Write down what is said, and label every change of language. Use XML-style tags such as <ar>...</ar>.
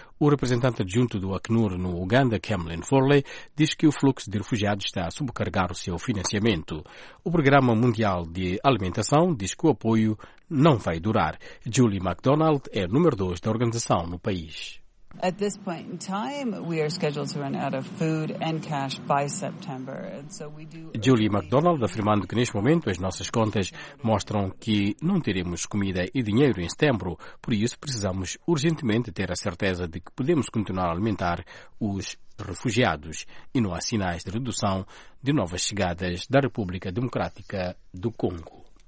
<pt>O representante adjunto do ACNUR no Uganda, Kamlyn Forley, diz que o fluxo de refugiados está a sobrecarregar o seu financiamento. O Programa Mundial de Alimentação diz que o apoio não vai durar. Julie MacDonald é o número 2 da organização no país.</pt> <en>At this point in time, we are scheduled to run out of food and cash by September. And so we do.</en> <pt>Julie MacDonald afirmando que neste momento as nossas contas mostram que não teremos comida e dinheiro em setembro, por isso precisamos urgentemente ter a certeza de que podemos continuar a alimentar os refugiados e não há sinais de redução de novas chegadas da República Democrática do Congo.</pt>